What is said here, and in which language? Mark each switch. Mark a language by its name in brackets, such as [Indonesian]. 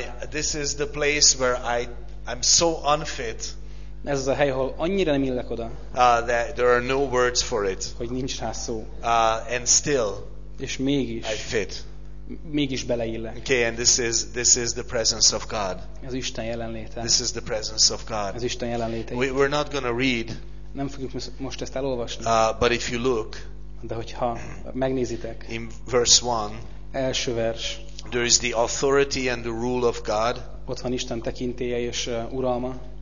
[English] This is the place where I'm so unfit. [Hungarian] Ez az a hely, ahol annyira nem illek oda. [English] That there are no words for it. [Hungarian] Hogy nincs rá szó. [English] And still. [Hungarian] És mégis. [English] I fit. [Hungarian] Mégis beleillek. [English] Okay, and this is the presence of God. [Hungarian] Ez Isten jelenléte. [English] This is the presence of God. [Hungarian] Ez Isten jelenléte. [English] We're not gonna read. [Hungarian] Nem fogjuk most ezt elolvasni. [English] But if you look. [Hungarian] De hogyha megnézitek. [English] In verse 1. [Hungarian] Első vers. [English] There is the authority and the rule of God. [Hungarian] Ott van Isten tekintélye és uralma.